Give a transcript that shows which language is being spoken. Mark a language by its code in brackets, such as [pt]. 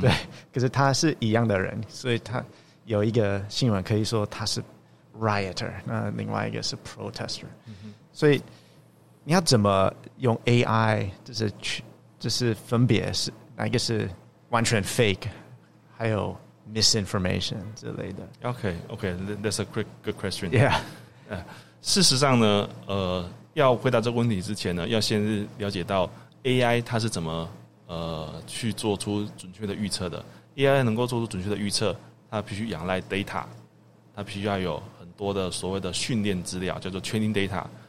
[zh] 对，可是他是一样的人，所以他有一个新闻可以说他是 rioter， 那另外一个是 protester，所以你要怎么用 AI 就是分别是哪一个是完全 fake， 还有misinformation 之类的。 [en] OK, that's a quick good question. Yeah. [zh] 事实上呢，要回答这个问题之前呢，要先了解到 AI 它是怎么去做出准确的预测的。 AI 能够做出准确的预测，它必须仰赖 data， 它必须要有很多的所谓的训练资料，叫做 training data。